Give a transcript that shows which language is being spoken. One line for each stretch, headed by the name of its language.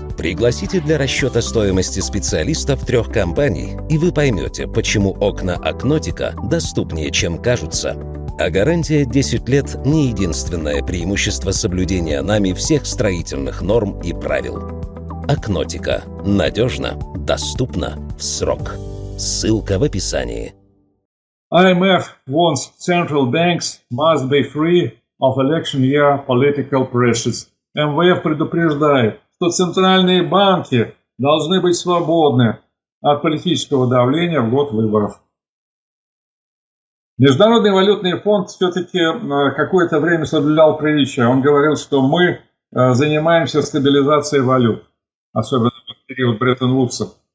Russian: Пригласите для расчета стоимости специалистов трех компаний, и вы поймете, почему окна «Акнотика» доступнее, чем кажутся. А гарантия 10 лет – не единственное преимущество соблюдения нами всех строительных норм и правил. «Акнотика» – надежно, доступно, в срок. Ссылка в описании.
English: IMF wants central banks must be free of election year political pressures.
Russian: МВФ предупреждает, что центральные банки должны быть свободны от политического давления в год выборов. Международный валютный фонд все-таки какое-то время соблюдал приличие. Он говорил, что мы занимаемся стабилизацией валют, особенно в период Бреттон-Вудса.